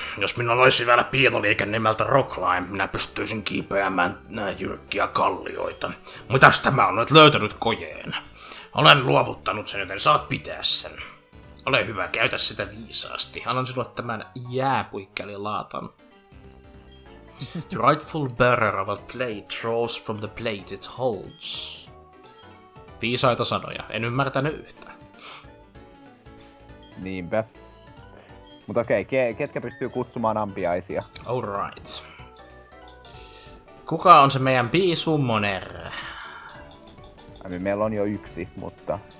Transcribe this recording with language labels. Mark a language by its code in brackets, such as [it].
[fi] Jos minulla olisi vielä piiloliike nimeltä Rockline, minä pystyisin kiipeämään nää jyrkkiä kallioita. Mitäs tämä on nyt löytänyt kojeen? Olen luovuttanut sen, joten saat pitää sen. Ole hyvä, käytä sitä viisaasti. Annan sinulle tämän jääpuikkeli laatan. [en] The rightful bearer of a plate draws from the plate it holds. [fi] Viisaita sanoja, en ymmärtänyt yhtään. Niinpä. Mutta okei, ketkä pystyy kutsumaan ampiaisia? [en] Alright. [fi] Kuka on se meidän B-summoner? Meillä on jo yksi, mutta...